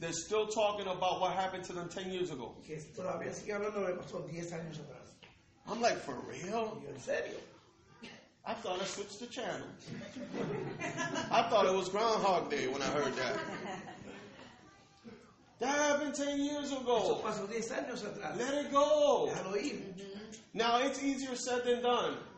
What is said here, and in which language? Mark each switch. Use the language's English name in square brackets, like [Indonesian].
[English] They're still talking about what happened to them 10 years ago. [Spanish] Que todavía sigue hablando de lo que pasó 10 años atrás. [English] I'm like, for real? [Spanish] Yo, en serio. [English] I thought I switched the channel. I thought it was Groundhog Day when I heard that. That happened 10 years ago. [Spanish] Eso pasó 10 años atrás. [English] Let it go. [Spanish] Déjalo ir. [English] Now, it's easier said than done.